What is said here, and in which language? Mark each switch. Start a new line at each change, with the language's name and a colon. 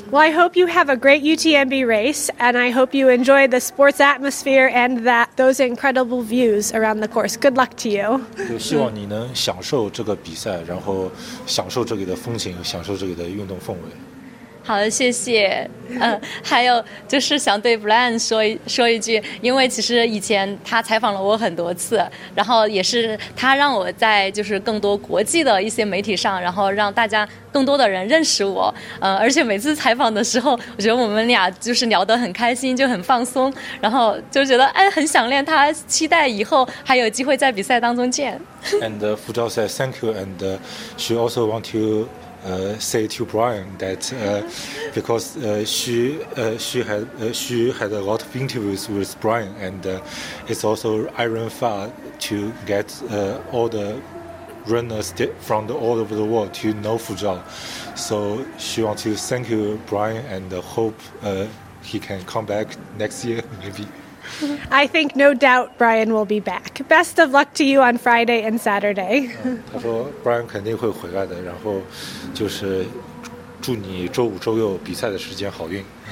English: Well, I hope you have a great UTMB race, and I hope you enjoy the sports atmosphere and those incredible views around the course. Good luck to you.
Chinese: 希望你能享受这个比赛，然后享受这里的风景，享受这里的运动氛围。好的，谢谢。还有就是想对 Brian 说一句，因为其实以前他采访了我很多次，然后也是他让我在就是更多国际的一些媒体上，然后让大家更多的人认识我。而且每次采访的时候，我觉得我们俩就是聊得很开心，就很放松，然后就觉得哎，很想念他，期待以后还有机会在比赛当中见。
English: And Fu-Zhao said thank you, and she also want to. Say to Brian that because she had a lot of interviews with Brian, and it's also iron far to get all the runners from all over the world to know Fu-Zhao. So she wants to thank you, Brian, and hope he can come back next year, maybe. I think no doubt Brian will be back. Best of luck to you on Friday and Saturday.
Chinese: 他说 Brian 肯定会回来的，然后就是祝你周五周六比赛的时间好运。